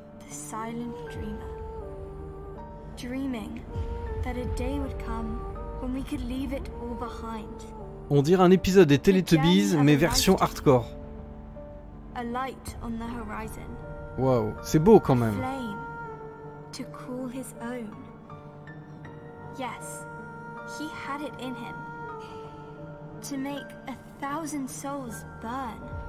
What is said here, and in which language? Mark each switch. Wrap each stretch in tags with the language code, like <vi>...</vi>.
<en>Silent dreamer, dreaming that a day would come when we could leave it all behind.</en> <fr>On dirait un épisode des Teletubbies, mais version hardcore.</fr> <en>A light on the horizon.</en> <fr>Wow, c'est beau quand même.</fr> <en>Flame to cool his own. Yes, he had it in him to make a thousand souls burn.</en>